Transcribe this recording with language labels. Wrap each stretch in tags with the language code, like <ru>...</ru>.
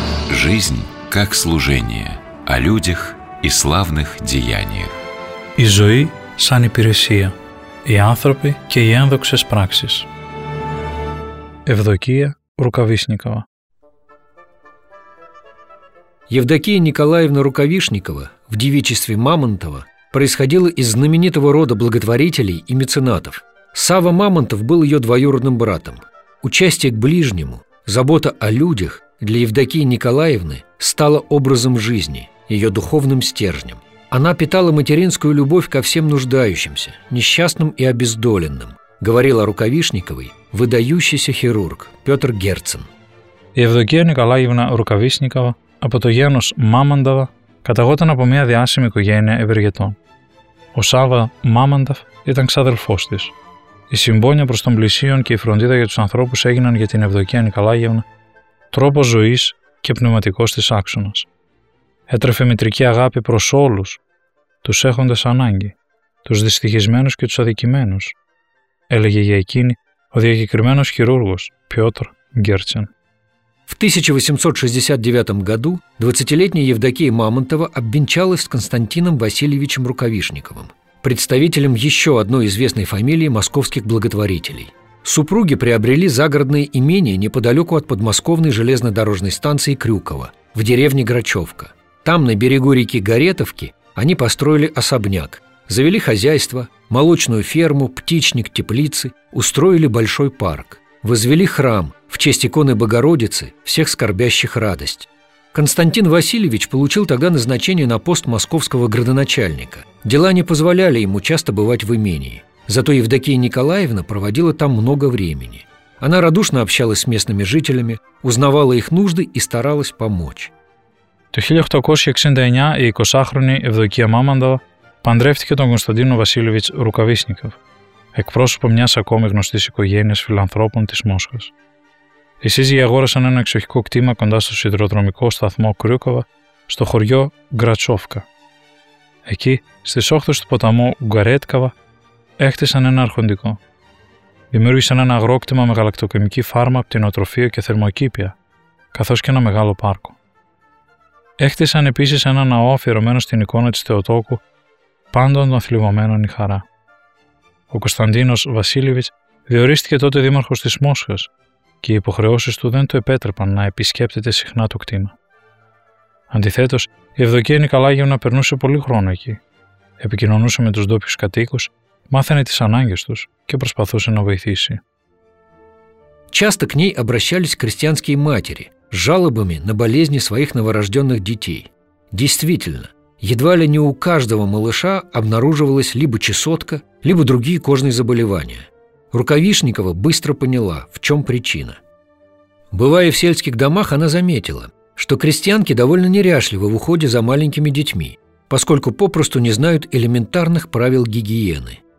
<ru>Жизнь как служение о людях и славных деяниях.</ru> <el>И ζωή сан υπηρεσία, οι άνθρωποι και οι ένδοξες πράξεις. Ευδοκία Рукавишникова.</el> <ru>Евдокия Николаевна Рукавишникова в девичестве Мамонтова происходила из знаменитого рода благотворителей и меценатов. Сава Мамонтов был ее двоюродным братом. Участие к ближнему, забота о людях для Евдокии Николаевны стало образом жизни, ее духовным стержнем. Она питала материнскую любовь ко всем нуждающимся, несчастным и обездоленным, говорил о Рукавишниковой выдающийся хирург Петр Герцен.</ru> <el>Евдокия Николаевна Рукавишникова από το γένος Μάμανταβα, καταγόταν από μια διάσημη οικογένεια ευεργετών. Ο Σάβα Μάμανταφ ήταν ξάδελφός της. Η συμπόνια προς τον πλησίον και η φροντίδα για τους ανθρώπους έγιναν για την Ευδοκία Νικολάγευνα τρόπος ζωής και πνευματικός της άξονας. Έτρεφε μητρική αγάπη προς όλους, τους έχοντες ανάγκη, τους δυστυχισμένους και τους αδικημένους, έλεγε για εκείνη ο διακεκριμένος χειρούργος Πιότρ Γκέρτσεν.</el> <ru>В 1869 году 20-летняя Евдокия Мамонтова обвенчалась с Константином Васильевичем Рукавишниковым, представителем еще одной известной фамилии московских благотворителей. Супруги приобрели загородное имение неподалеку от подмосковной железнодорожной станции Крюково, в деревне Грачевка. Там, на берегу реки Горетовки, они построили особняк, завели хозяйство, молочную ферму, птичник, теплицы, устроили большой парк, возвели храм в честь иконы Богородицы, всех скорбящих радость. Константин Васильевич получил тогда назначение на пост московского градоначальника. Дела не позволяли ему часто бывать в имении. Зато Евдокия Николаевна проводила там много времени. Она радушно общалась с местными жителями, узнавала их нужды и старалась помочь.</ru> <el>Το 1869 η 20χρονη Ευδοκία Μάμαντοβα παντρεύτηκε τον Κωνσταντίνο Βασίλεβιτς Ρουκαβίσνικοβ, εκπρόσωπο μιας ακόμη γνωστής οικογένειας φιλανθρώπων της Μόσχας. Οι σύζυγοι αγόρασαν ένα εξοχικό κτήμα κοντά στο σιδηροδρομικό σταθμό Κρούκοβα, στο χωριό Γκρατσόφκα. Εκεί, στις όχθες του ποταμού Γκαρέτκαβα, έκτισαν ένα αρχοντικό. Δημιούργησαν ένα αγρόκτημα με γαλακτοκεμική φάρμα, πτηνοτροφείο και θερμοκήπια, καθώς και ένα μεγάλο πάρκο. Έχτισαν επίσης ένα ναό αφιερωμένο στην εικόνα της Θεοτόκου, πάντων των θλιβωμένων η χαρά. Ο Κωνσταντίνος Βασίλεβιτς διορίστηκε τότε δήμαρχος της Μόσχας και οι υποχρεώσεις του δεν του επέτρεπαν να επισκέπτεται συχνά το κτήμα. Αντιθέτως, η Ευδοκία Νικολάγευνα περνούσε πολύ χρόνο εκεί. Επικοινωνούσε με τους ντόπιους κατοίκους, μάθαινε τις ανάγκες τους και προσπαθούσε να βοηθήσει.</el> <ru>Часто к ней обращались крестьянские матери с жалобами на болезни своих новорожденных детей. Действительно, едва ли не у каждого малыша обнаруживалась либо чесотка, либо другие кожные заболевания. Рукавишникова быстро поняла, в чем причина. Бывая в сельских домах, она заметила, что крестьянки довольно неряшливы в уходе за маленькими детьми, поскольку попросту не знают элементарных правил гигиены.</ru>